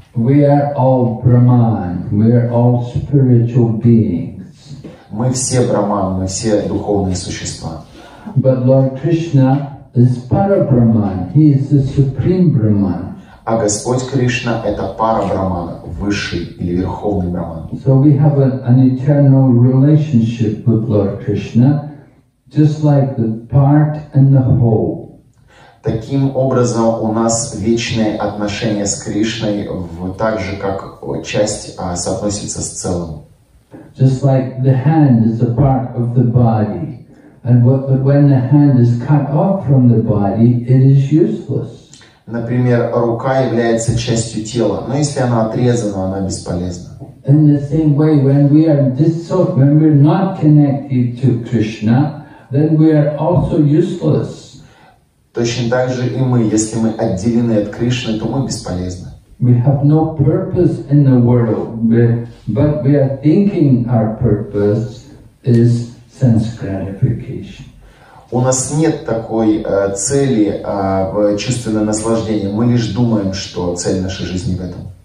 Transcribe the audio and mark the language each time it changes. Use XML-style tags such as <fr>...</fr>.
<en>We are all Brahman. We are all spiritual beings.</en> <ru>Мы все Брахман, мы все духовные существа.</ru> <en>But Lord Krishna is Parabrahman. He is the supreme Brahman.</en> <ru>А Господь Кришна — это пара-брахман, высший или верховный брахман.</ru> <en>So we have an eternal relationship with Lord Krishna, just like the part and the whole.</en> <ru>Таким образом, у нас вечные отношения с Кришной, так же, как часть соотносится с целым.</ru> <en>Just like the hand is a part of the body, and when the hand is cut off from the body, it is useless.</en> <ru>Например, рука является частью тела, но если она отрезана, она бесполезна.</ru> <en>In the same way, when we are dissolved, when we are not connected to Krishna, then we are also useless.</en> <ru>Точно так же и мы, если мы отделены от Кришны, то мы бесполезны.</ru> <en>We have no purpose in the world, but we are thinking our purpose is sense gratification.</en> <ru>У нас нет такой цели в чувственное наслаждение. Мы лишь думаем, что цель нашей жизни в этом.</ru>